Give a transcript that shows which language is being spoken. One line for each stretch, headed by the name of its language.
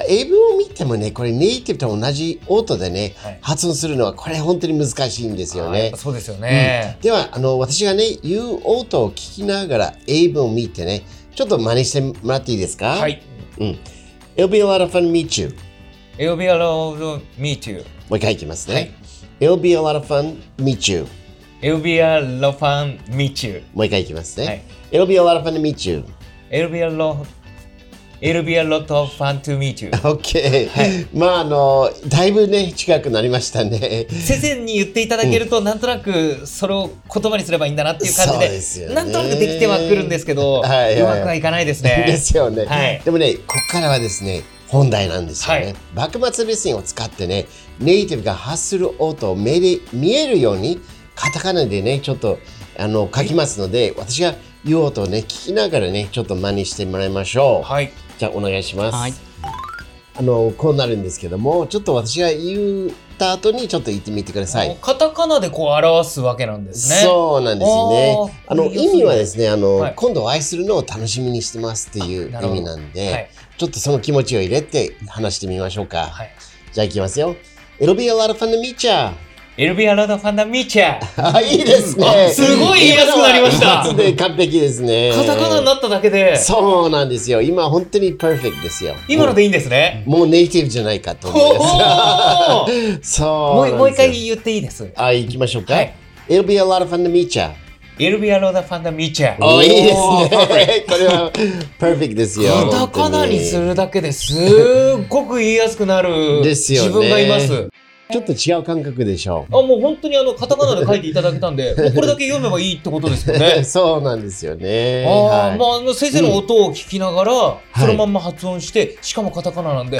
Japanese: 英文を見てもね、これネイティブと同じ音でね、はい、発音するのはこれ本当に難しいんですよね。そうですよね、うん、では私がね言う音を聞きながら英文を見てね、ちょっと真似してもらっていいですか。はい、
English: うん、It'll be a lot of fun to meet you. It'll be a lot of meet you.
Japanese: もう一回いきますね、
English: はい、It'll be a lot of fun to meet you. It'll be a lot of fun to meet you.
Japanese: もう一回いきますね、
English: はい、It'll be a lot of fun to meet you. It'll be a lot of fun to meet you.
Japanese: OK、はい、まあだいぶね近くなりましたね。先生に言っていただけると、うん、なんとなくそれを言葉にすればいいんだなっていう感じで、なんとなくできてはくるんですけど、はいはいはい、うまくはいかないですね。ですよね、はい、でもねここからはですね本題なんですよね、はい、幕末リスニングを使ってねネイティブが発する音を目で見えるようにカタカナでねちょっと書きますので、私が言おうとね聞きながらねちょっと真似してもらいましょう。はい、じゃあお願いします。はい、こうなるんですけども、ちょっと私が言った後にちょっと言ってみてください。カタカナでこう表すわけなんですね。そうなんですね。意味はですね、はい、今度お会いするのを楽しみにしてますっていう意味なんで、はい、ちょっとその気持ちを入れて話してみましょうか、はい、じゃあ行きますよ。
English: It'll be a lot of fun to meet ya. It'll be a lot of fun to meet you.
Japanese: いいですね。すごい言いやすくなりました。一発で完璧ですね。カタカナになっただけで。そうなんですよ。今本当にパーフェクトですよ。今のでいいんですね。もうネイティブじゃないかと思います。そうなんですよ。もう一回言っていいです。あ、行きましょうか。
English: はい、It'll be a lot of fun to meet you. It'll be a lot of fun to meet you.
Japanese: おー、いいですね。これはパーフェクトですよ。カタカナにするだけですごく言いやすくなる自分がいます。ちょっと違う感覚でしょう。あ、もう本当にあのカタカナで書いていただけたんで、これだけ読めばいいってことですよね。そうなんですよね。あ、はい、まあ、あの先生の音を聞きながら、うん、そのまんま発音して、はい、しかもカタカナなんで。